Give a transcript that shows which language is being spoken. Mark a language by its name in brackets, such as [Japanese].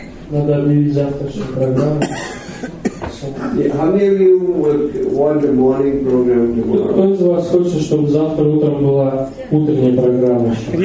[Russian] Надо объявить завтрашнюю программу. [English] Yeah, how many of you would want the morning program tomorrow? [Russian] Кто из вас хочет, чтобы завтра утром была утренняя программа?